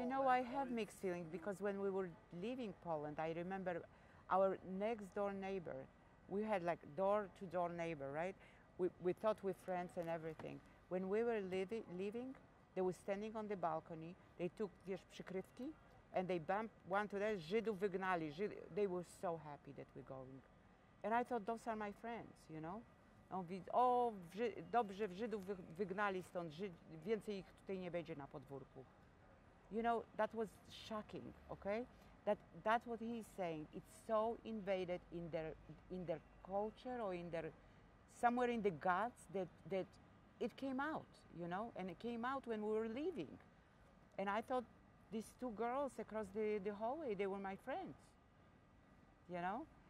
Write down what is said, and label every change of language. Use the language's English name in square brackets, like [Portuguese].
[English] You know, I have mixed feeling because when we were leaving Poland, I remember our next door neighbor, we had like door to door neighbor, right? We thought we're friends and everything. When we were leaving, they were standing on the balcony, they took, [Polish] wiesz, przykrywki, [English] and they bumped one to the other, [Polish] Żydów wygnali. [English] They were so happy that we're going. And I thought, those are my friends, you know? [Polish] On mówi, o, dobrze, Żydów wygnali stąd, więcej ich tutaj nie będzie na podwórku. [English] You know, that was shocking, okay? That's what he's saying. It's so invaded in their culture or in their, somewhere in the guts that it came out, you know? And it came out when we were leaving. And I thought these two girls across the hallway, they were my friends, you know?